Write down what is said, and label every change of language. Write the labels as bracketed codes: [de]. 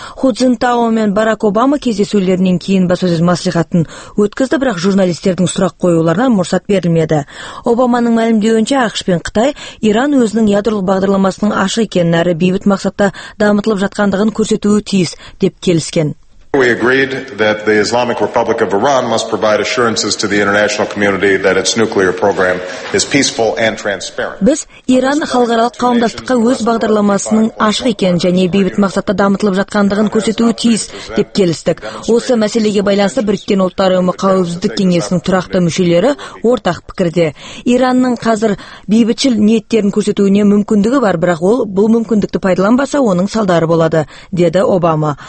[kk] Ху Цзинтао мен Барак Обама кездесулерінен кейін баспасөз мәслихатын өткізді, бірақ журналистердің сұрақ қоюларына мұрсат берілмеді. Обаманың мәлімдеуінше АқШ пен Қытай Иран өзінің ядролық бағдарламасының ашық екенін әрі бейбіт мақсатта дамытылып жатқандығын көрсетуі тиіс деп келісті. [en] We agreed that the Islamic Republic of Iran must provide assurances to the international community that its nuclear program is peaceful and transparent. [kk] Біз Иран халықаралық қауымдастыққа өз бағдарламасының ашық екенін және бейбіт мақсатта дамытылып жатқандығын көрсетуі тиіс деп келістік. Осы мәселеге байланысты Біріккен Ұлттар Ұйымы қауіпсіздік кеңесінің тұрақты мүшелері ортақ пікірде. Иранның қазір бейбітшіл ниеттерін көрсетуіне мүмкіндігі бар, бірақ ол бұл мүмкіндікті пайдаланбаса оның салдары болады, деді Обама.